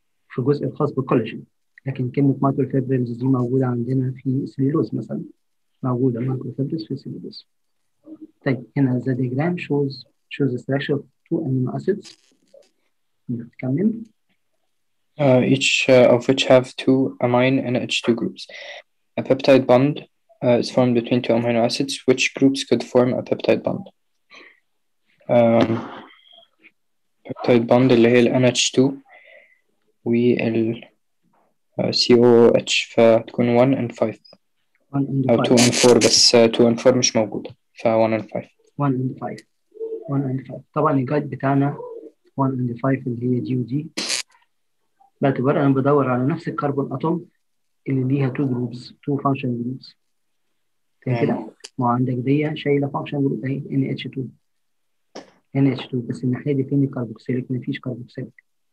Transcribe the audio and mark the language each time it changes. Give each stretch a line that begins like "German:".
Arabic: في الجزء الخاص بالكولاجين لكن كلمه مايكرو فيبريل دي موجوده عندنا في سليلوز مثلا موجوده مايكرو فيبريل في سليلوز طيب هنا ذا ديجرام شوز ستراكشر اوف تو امينو اسيدز نكمل
English: each of which have two amine and H2 groups. A peptide bond is formed between two amino acids. Which groups could form a peptide bond?
Arabic: البيبتايد بوند اللي هي ال NH2 و ال COOH فتكون 1 and 5 أو 2 and 4 بس 2 and 4 مش موجودة ف 1 and 5 1 and 5 طبعا الجايد بتاعنا 1 and 5 اللي هي DOD باعتبار انا بدور على نفس الكربون اتوم اللي ليها 2 جروبز 2 فانكشن جروبز كده ما عندك دي شايله فانكشن جروب اهي NH2 NH2 بس الناحية دي فين الكربوكسيليك؟ مفيش كربوكسيليك.